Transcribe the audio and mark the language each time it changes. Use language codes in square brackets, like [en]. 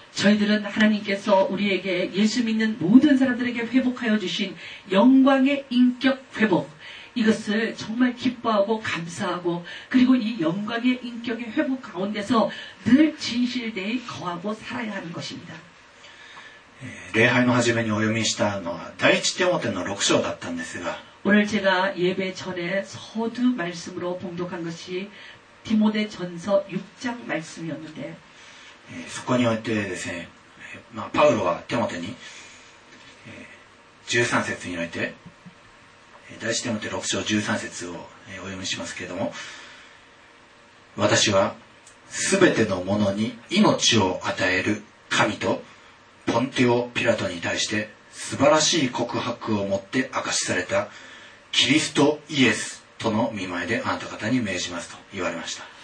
[ko] 저희들은하나님께서우리에게예수믿는모든사람들에게회복하여주신영광의인격회복이것을정말기뻐하고감사하고그리고이영광의인격의회복가운데서늘진실되게거하고살아야하는것입니다 [ja] 礼拝の始めにお読みしたのは第一テモテの6章だったんですが [ko] 오늘제가예배전에서두말씀으로봉독한것이디모데전서6장말씀이었는데 [ja] そこにおいてですね、まあ、パウロはテモテに、13節において第一テモテ6章13節を、お読みしますけれども私はすべてのものに命を与える神とポンテオ・ピラトに対して素晴らしい告白をもって明かしされたキリストイエスとの御前であなた方に命じますと言われました